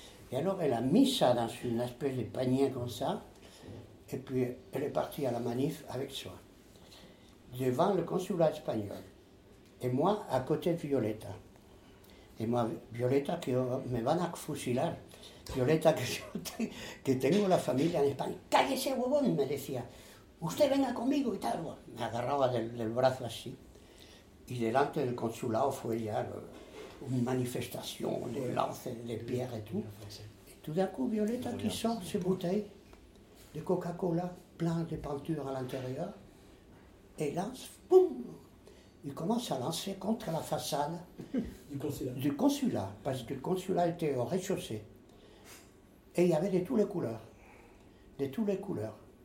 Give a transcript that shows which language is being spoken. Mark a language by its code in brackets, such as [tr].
[fr] Et alors elle a mis ça dans une espèce de panier comme ça, et puis elle est partie à la manif avec soi, devant le consulat espagnol, et moi à côté de Violetta. Et moi, [es] Violetta, que me van a fusilar, Violetta, que tengo la familia en España, cállese, huevón, me decía. Usted venga conmigo y tal. Me agarraba del brazo así. Y delante del consulado fue ya una manifestación, de [fr] lance de pierre [es] y tout. [fr] Et tout d'un coup, Violetta qui sort ses bouteilles de Coca-Cola, plein de peinture à l'intérieur, et lance, boum! Il commence à lancer contre la façade du consulat, parce que le consulat était au rez-de-chaussée. Et il y avait de toutes les couleurs.